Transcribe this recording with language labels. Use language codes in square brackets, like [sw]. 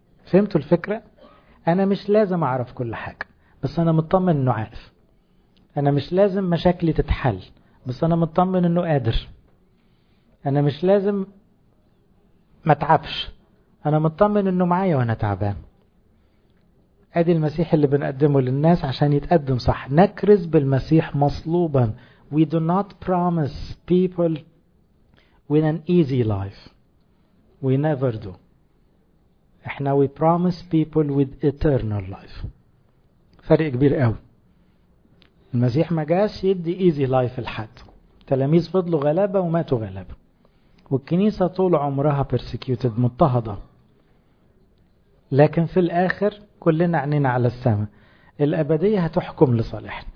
[ar] فهمتوا الفكرة؟ أنا مش لازم أعرف كل حاجة بس أنا مطمن أنه عارف، أنا مش لازم مشاكلي تتحل بس أنا مطمن أنه قادر، أنا مش لازم ما تعبش، أنا مطمن أنه معايا وأنا تعبان. أدي المسيح اللي بنقدمه للناس عشان يتقدم صح، نكرز بالمسيح مصلوبا. [en] We do not promise people with an easy life. We never do. [ar] احنا [en] we promise people with eternal life. [ar] فرق كبير قوي. المسيح ما جاش يدي [en] easy life [ar] لحد. تلاميذ فضلوا غلابة وماتوا غلابة، والكنيسة طول عمرها persecuted، مضطهدة، لكن في الآخر كلنا عنينا على السماء، الأبدية هتحكم لصالحنا.